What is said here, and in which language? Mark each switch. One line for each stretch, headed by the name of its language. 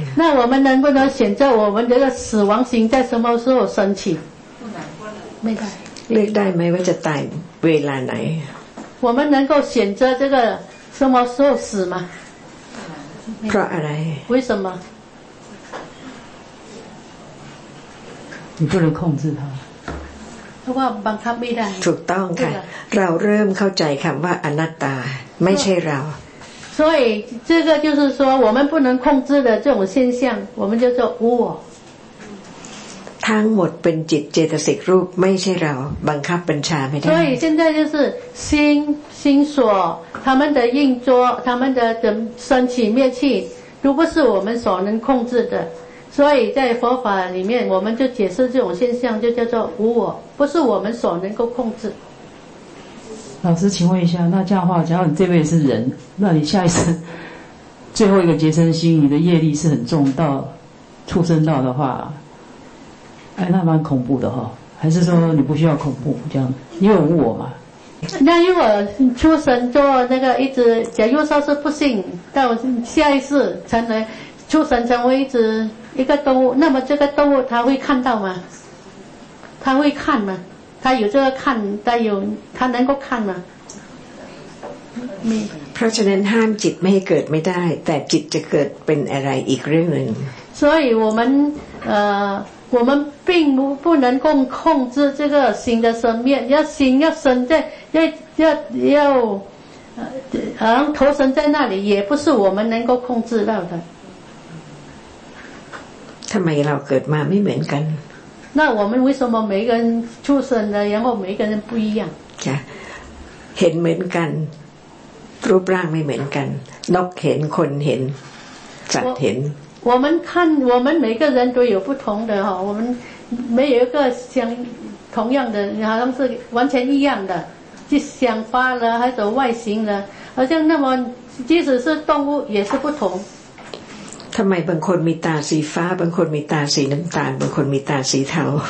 Chinese: 那我们能不能选择我们这个死亡心在什么时候升起？不能，不能。没带。
Thai: 列ได้ไหมว่าจะตายเวลาไหน
Chinese: 我们能够选择这个。什么时候死吗？
Thai: เพราะอะไร？
Chinese: 为什么？你不能控制它。
Thai: เพราะว่าบังคับไม่ได้。ถูกต้องค่ะ。 เราเริ่มเข้าใจคำว่าอนัตตาไม่ใช่เรา。
Chinese: 所以这个就是说我们不能控制的这种现象，我们叫做无我。
Thai: ทั้งหมดเป็นจิตเจตสิกรูปไม่ใช่เราบังคับบัญชาไม่ได้
Chinese: 所以现在就是心心所他们的运作他们的升起灭去都不是我们所能控制的，所以在佛法里面我们就解释这种现象就叫做无我，不是我们所能够控制。老师请问一下，那这样的话假如你这辈子是人，那你下一次最后一个结生心你的业力是很重到畜生道的话，哎，那蛮恐怖的哈、哦，还是说你不需要恐怖这样？因为无我嘛。那如果出生做那个一只，假如说是不幸到下一世成为出生成为一只一个动物，那么这个动物它会看到吗？它会看吗？它有这个看，它有它能够看吗？没。
Thai: เพราะฉะนั้นห้ามจิตไม่ให้เกิดไม่ได้แต่จิตจะเกิดเป็นอะไรอีกเรื่องหนึ่ง
Chinese: 所以我们我们并不能够控制这个心的生灭，要心要生在要投身在那里，也不是我们能够控制到的。
Thai: ทำไมเราเกิดมาไม่เหมือนกัน
Chinese: 那我们为什么每个人出生的然后每个人不一样
Thai: เห็นเหมือนกันรูปร่างไม่เหมือนกันนกเห็นคนเห็นสัตว์เห็น
Chinese: 我们看我们每个人都有不同的哈，我们没有一个像同样的，好像是完全一样的，就想法了还是外形了，好像那么即使是动物也是不同。
Thai: ทำไมบางคนมีตาสีฟ้าบางคนมีตาสีน้ำตาลบางคนมีตาสีเทา